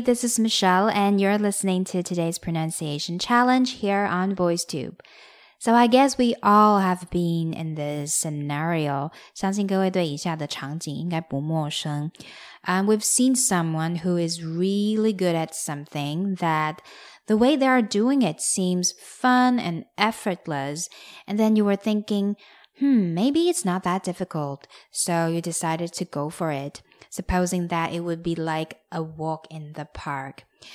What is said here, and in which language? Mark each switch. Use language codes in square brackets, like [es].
[en] This is Michelle, and you're listening to today's pronunciation challenge here on VoiceTube. So I guess we all have been in this scenario. [zh] 相信各位对以下的场景应该不陌生。 [en] We've seen someone who is really good at something that the way they are doing it seems fun and effortless. And then you were thinking, maybe it's not that difficult. So you decided to go for it. Supposing that it would be like a walk in the park.